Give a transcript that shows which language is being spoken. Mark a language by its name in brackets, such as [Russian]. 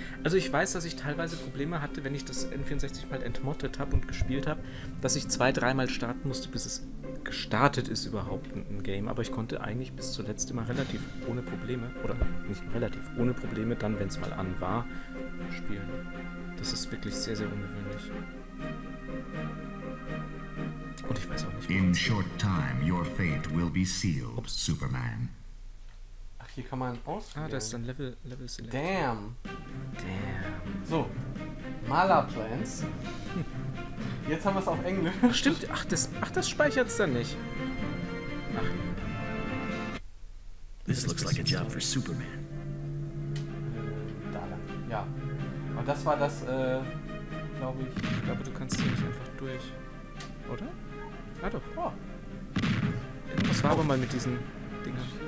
[German] Also ich weiß, dass ich teilweise Probleme hatte, wenn ich das N64 mal entmottet habe und gespielt habe, dass ich 2-3 Mal starten musste, bis es gestartet ist überhaupt ein Game. Aber ich konnte eigentlich bis zuletzt immer relativ ohne Probleme, oder nicht relativ ohne Probleme, dann, wenn es mal an war, spielen. Das ist wirklich sehr, sehr ungewöhnlich. Und ich weiß auch nicht, warum. [English] In short time, your fate will be sealed, ups. Superman. [German] Hier kann man auswählen. Ah, da ist dann Level Select. [English] Damn. So. Malaplants. [German] Jetzt haben wir es auf Englisch. Ach, stimmt. Ach, das speichert es dann nicht. Ach. [English] This looks like a job for Superman. [German] Da. Ja. Und das war das, glaube ich. Ich glaube, du kannst hier nicht einfach durch. Oder? Ja, doch. Oh. Was war aber mal mit diesen Dingern?